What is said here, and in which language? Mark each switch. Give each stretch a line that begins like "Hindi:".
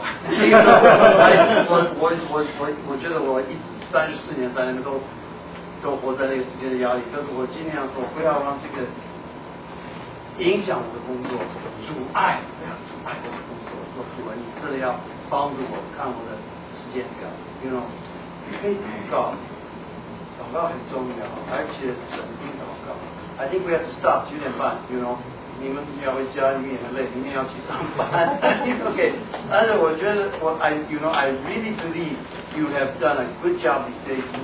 Chinese: 了我觉得我一直34年都活在那个时间的压力，但是我尽量说不要让这个影响我的工作，阻碍我的工作，说主啊，你真的要帮助我看我的时间表，因为你可以祷告很重要，而且整天祷告。
English: I think we have to stop 9:30， you know。
Chinese: 你们要回家，你们也很累，明天要去上班。
English: OK，
Chinese: 但是我觉得
English: I really believe you have done a good job these days。